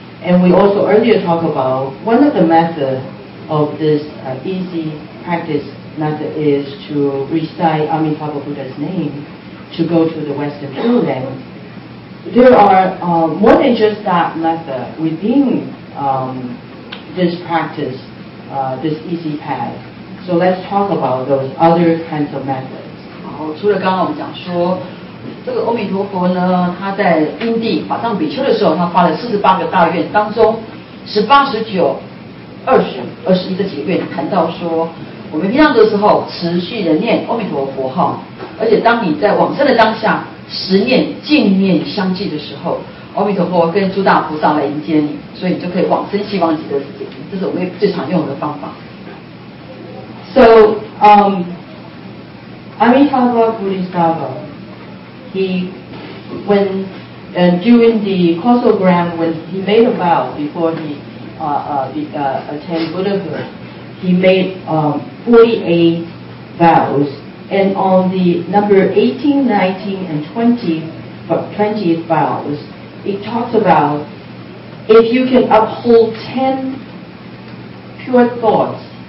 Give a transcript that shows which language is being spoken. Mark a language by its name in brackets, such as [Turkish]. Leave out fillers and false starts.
[English] And we also earlier talked about one of the methods of this easy practice method is to recite Amitabha Buddha's name to go to the Western Pure Land. There are more than just that method within this practice, this easy path. So let's talk about those other kinds of methods. [Chinese] 除了刚刚我们讲说这个阿弥陀佛呢，他在因地法藏比丘的时候，他发了48个大愿，当中18、19、20、21这几个愿谈到说，我们平常的时候持续的念阿弥陀佛哈，而且当你在往生的当下十念净念相继的时候，阿弥陀佛跟诸大菩萨来迎接你，所以你就可以往生西方极乐世界，这是我们最常用的方法。 [English] So Amitabha Bodhisattva, he, when, and during the causal gram, when he made a vow before he attained Buddhahood, he made 48 vows, and on the number 18, 19, and 20th vows, it talks about if you can uphold 10 pure thoughts,